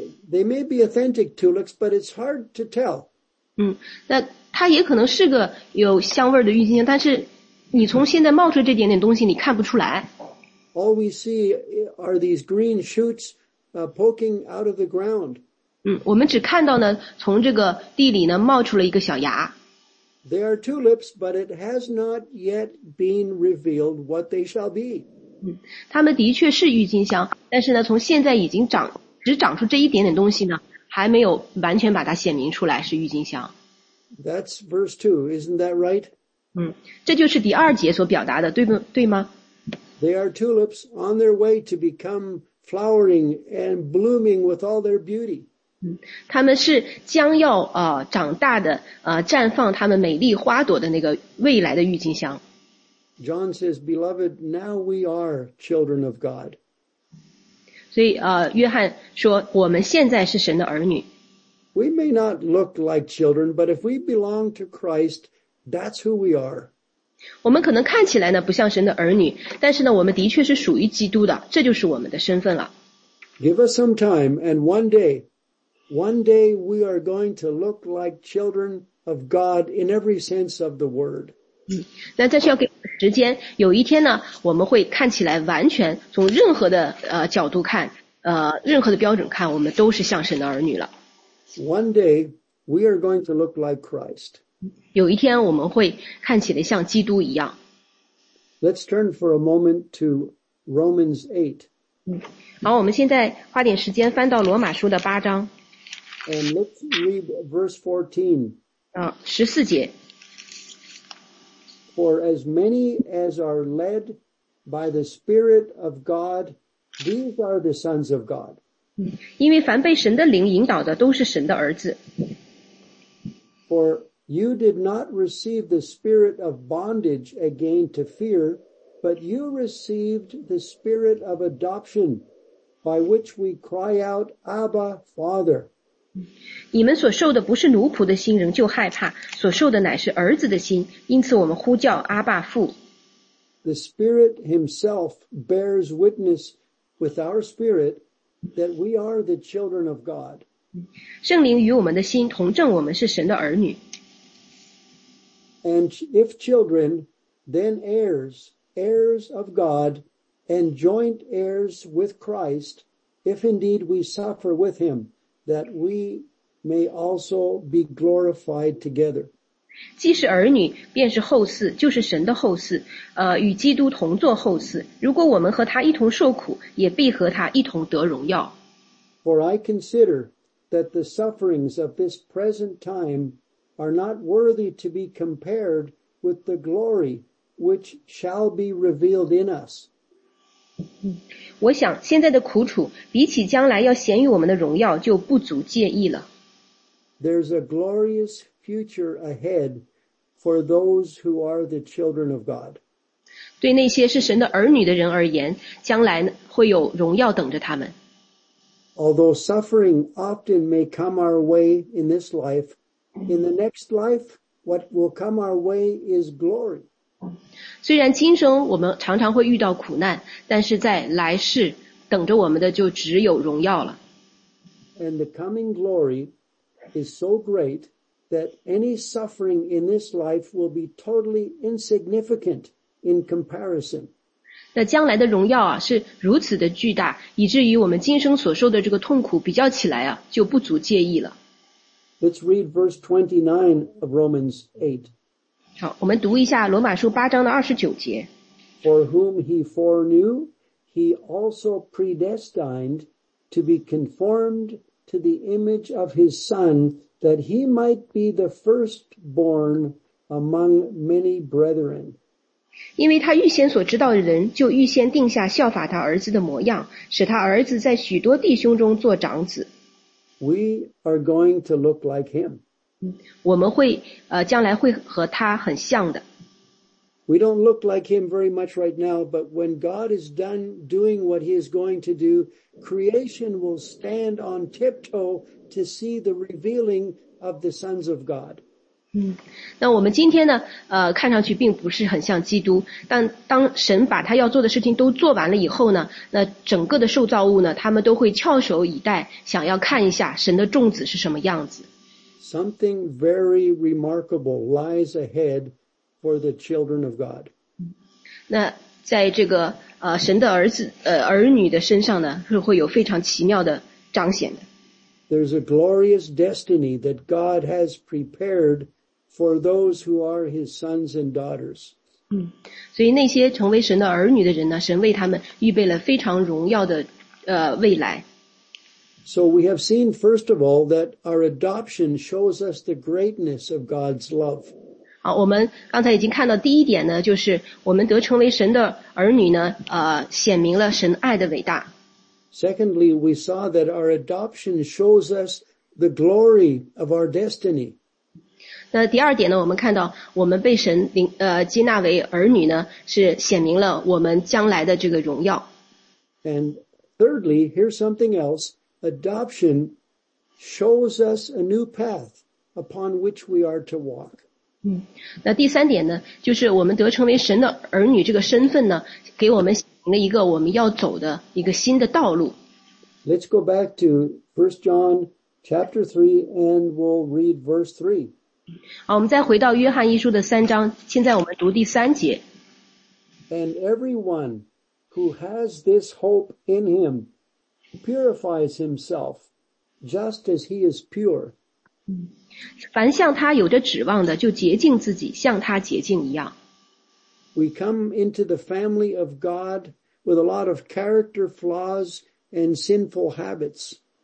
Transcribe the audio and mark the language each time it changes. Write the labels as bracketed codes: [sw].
[en] They may be authentic tulips, but it's hard to tell. [zh] 那它也可能是个有香味的郁金香，但是你从现在冒出这点点东西，你看不出来。 [en] All we see are these green shoots poking out of the ground. [zh] 我们只看到呢，从这个地里呢冒出了一个小芽。 [en] They are tulips, but it has not yet been revealed what they shall be. [zh] 它们的确是郁金香，但是呢，从现在已经长。只长出这一点点东西呢，还没有完全把它显明出来是郁金香。 [en] That's verse 2, isn't that right? [zh] 这就是第二节所表达的，对吗？ [en] They are tulips on their way to become flowering and blooming with all their beauty. [zh] 他们是将要长大的绽放他们美丽花朵的那个未来的郁金香。 [en] John says, "Beloved, now we are children of God." [zh] 所以约翰说我们现在是神的儿女。 [en] We may not look like children, but if we belong to Christ, that's who we are. [zh] 我们可能看起来呢不像神的儿女，但是呢我们的确是属于基督的，这就是我们的身份了。 [en] Give us some time, and one day we are going to look like children of God in every sense of the word. [zh] 那这是要给时间，有一天呢，我们会看起来完全从任何的角度看，任何的标准看，我们都是像神的儿女了。 [en] One day we are going to look like Christ. [zh] 有一天我们会看起来像基督一样。 [en] Let's turn for a moment to Romans 8. [zh] 好，我们现在花点时间翻到罗马书的八章。 [en] And let's read verse 14. [zh] 14节。 [en] For as many as are led by the Spirit of God, these are the sons of God. [zh] 因为凡被神的灵引导的都是神的儿子。 [en] For you did not receive the spirit of bondage again to fear, but you received the spirit of adoption by which we cry out, Abba, Father. [zh] 你们所受的不是奴仆的心仍旧害怕，所受的乃是儿子的心，因此我们呼叫阿爸父。 [en] The Spirit himself bears witness with our spirit that we are the children of God. [zh] 圣灵与我们的心同证，我们是神的儿女。 [en] And if children, then heirs, heirs of God, and joint heirs with Christ, if indeed we suffer with him. That we may also be glorified together. [zh] 既是儿女，便是后嗣，就是神的后嗣，与基督同作后嗣。如果我们和他一同受苦，也必和他一同得荣耀。 [en] For I consider that the sufferings of this present time are not worthy to be compared with the glory which shall be revealed in us. [zh] 我想现在的苦楚比起将来要显于我们的荣耀就不足介意了。 [en] There's a glorious future ahead for those who are the children of God. [zh] 对那些是神的儿女的人而言，将来会有荣耀等着他们。 [en] Although suffering often may come our way in this life, in the next life, what will come our way is glory. [zh] 虽然今生我们常常会遇到苦难，但是在来世等着我们的就只有荣耀了。 [en] And the coming glory is so great that any suffering in this life will be totally insignificant in comparison. [zh] 那将来的荣耀是如此的巨大，以至于我们今生所受的这个痛苦比较起来就不足介意了。 [en] Let's read verse 29 of Romans 8. [zh] 好，我们读一下罗马书八章的二十九节。 [en] For whom he foreknew, he also predestined to be conformed to the image of his son, that he might be the firstborn among many brethren. [zh] 因为他预先所知道的人，就预先定下效法他儿子的模样，使他儿子在许多弟兄中做长子。 [en] We are going to look like him. [zh] 我们会将来会和他很像的。 [en] We don't look like him very much right now, but when God is done doing what he is going to do, creation will stand on tiptoe to see the revealing of the sons of God. [zh] 那我们今天呢看上去并不是很像基督，但当神把他要做的事情都做完了以后呢，那整个的受造物呢，他们都会翘首以待，想要看一下神的众子是什么样子。 [en] Something very remarkable lies ahead for the children of God. [zh] 那在这个神的儿女的身上呢，是会有非常奇妙的彰显的。 [en] There's a glorious destiny that God has prepared for those who are his sons and daughters. [zh] 所以那些成为神的儿女的人呢，神为他们预备了非常荣耀的未来。 [en] So we have seen, first of all, that our adoption shows us the greatness of God's love. [zh] 好，我们刚才已经看到第一点呢，就是我们得成为神的儿女呢，显明了神爱的伟大。 [en] Secondly, we saw that our adoption shows us the glory of our destiny. [zh] 那第二点呢，我们看到我们被神接纳为儿女呢，是显明了我们将来的这个荣耀。 [en] And thirdly, here's something else. Adoption shows us a new path upon which we are to walk. [zh] 那第三点呢，就是我们得成为神的儿女这个身份呢，给我们行了一个我们要走的一个新的道路。 [en] Let's go back to 1 John chapter 3 and we'll read verse 3. [zh] 好，我们再回到约翰一书的三章，现在我们读第三节。 [en] And everyone who has this hope in him,purifies himself just as he is pure. [zh] 凡向他有着指望的就洁净自己，像他洁净一样。 [en] We come into the family of God with a lot of character flaws and sinful habits.